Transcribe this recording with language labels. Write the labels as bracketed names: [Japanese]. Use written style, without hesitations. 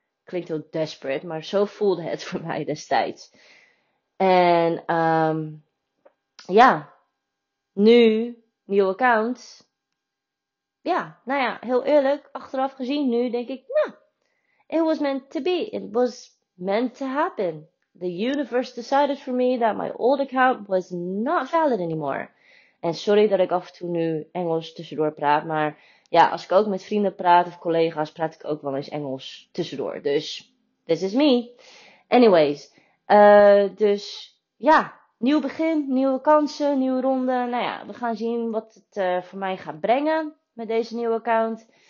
[Dutch] Klinkt heel desperate, maar zo voelde het voor mij destijds. En ja, nu, nieuw account. Ja, nou ja, heel eerlijk, achteraf gezien nu denk ik, nou, it was meant to be. [English] It was meant to happen. The universe decided for me that my old account was not valid anymore. [Dutch] En sorry dat ik af en toe nu Engels tussendoor praat, maar ja, als ik ook met vrienden praat of collega's, praat ik ook wel eens Engels tussendoor. Dus, this is me. Anyways, dus ja, nieuw begin, nieuwe kansen, nieuwe ronde. Nou ja, we gaan zien wat het voor mij gaat brengen met deze nieuwe account.